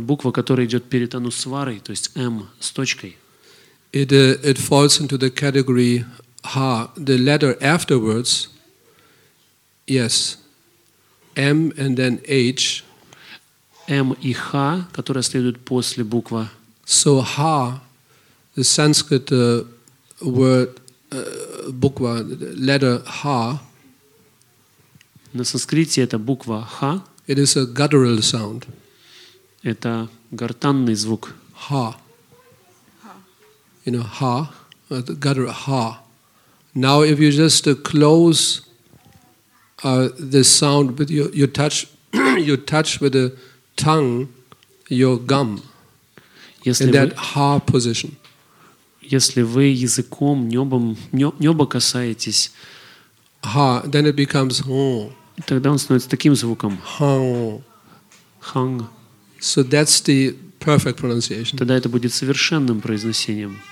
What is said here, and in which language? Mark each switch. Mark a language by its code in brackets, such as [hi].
[ru] буква, которая идет перед анусварой, то есть М с точкой. [en] It falls into the category ha. The letter afterwards, yes, M and then H. [ru] M и H, которая следует после буква. [en] So ha, the Sanskrit word буква, letter ha. [ru] На санскрите это буква H. [en] It is a guttural sound. [ru] Это гортанный звук. [en] Ha. You know, ha. Guttural ha. Now, if you just close this sound with your touch, you touch with the tongue your gum. [ru] Если [en] in [ru] вы, [en] that ha position. [ru] Если вы языком небом небо касаетесь. [en] Ha. Then it becomes ho. [ru] Тогда он становится таким звуком. [en] Hang. So that's the perfect pronunciation. [ru] Тогда это будет совершенным произношением.